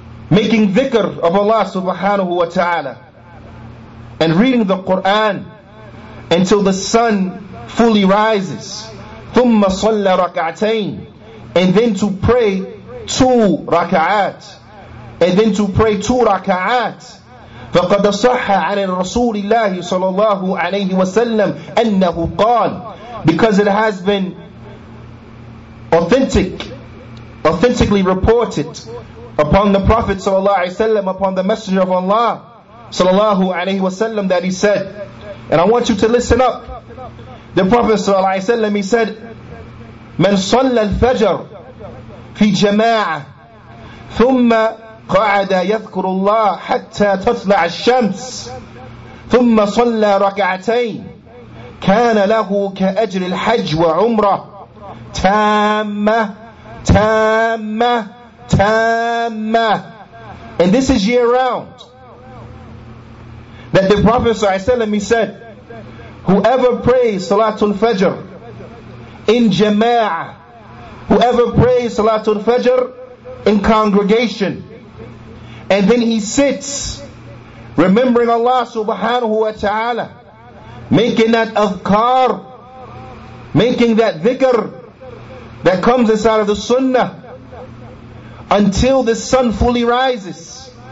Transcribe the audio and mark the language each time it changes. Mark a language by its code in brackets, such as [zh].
[en] making dhikr of Allah subhanahu wa ta'ala, and reading the Quran until the sun fully rises. [ar] ثم صلى ركعتين, [en] and then to pray two rak'at, and then to pray two rak'at. [ar] فقد صح عن الرسول الله صلى الله عليه وسلم أنه قال, [en] because it has been authentically reported upon the Prophet صلى الله عليه وسلم, upon the Messenger of Allah صلى الله عليه وسلم, that he said, and I want you to listen up, the Prophet صلى الله عليه وسلم, he said, [ar] من صلى الفجر في جماعة ثم قعد يذكر الله حتى تطلع الشمس ثم صلى ركعتين كان له كأجر الحج وعمرة تامة تامة تامة. [en] And this is year round, that the Prophet صلى الله عليه وسلم, he said, whoever prays Salatul Fajr in jama'ah, whoever prays Salatul Fajr in congregation, and then he sits, remembering Allah subhanahu wa ta'ala, making that adhkar, making that dhikr that comes inside of the sunnah, until the sun fully rises.